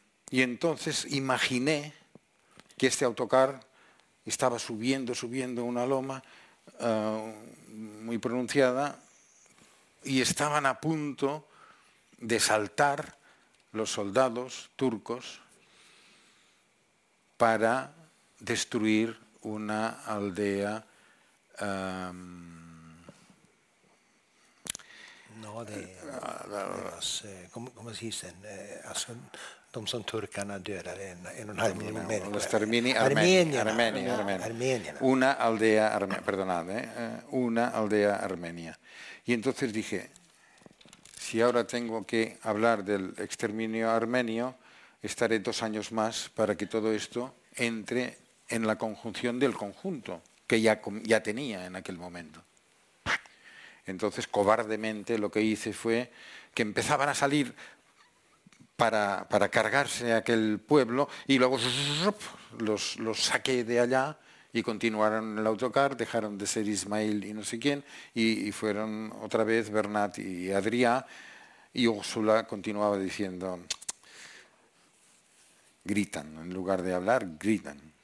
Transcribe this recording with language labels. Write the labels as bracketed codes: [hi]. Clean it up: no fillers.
[es] Y entonces imaginé que este autocar estaba subiendo una loma muy pronunciada, y estaban a punto de saltar los soldados turcos para destruir una aldea [sv] de som turkarna dödade en och en halv miljon människor. [es] Una aldea armenia, perdonad, una aldea armenia. Y entonces dije, si ahora tengo que hablar del exterminio armenio, estaré dos años más para que todo esto entre en la conjunción del conjunto, que ya tenía en aquel momento. Entonces, cobardemente, lo que hice fue que empezaban a salir para cargarse aquel pueblo y luego los saqué de allá y continuaron en el autocar, dejaron de ser Ismael y no sé quién, y fueron otra vez Bernat y Adrià, y Úrsula continuaba diciendo, gritan, en lugar de hablar, gritan.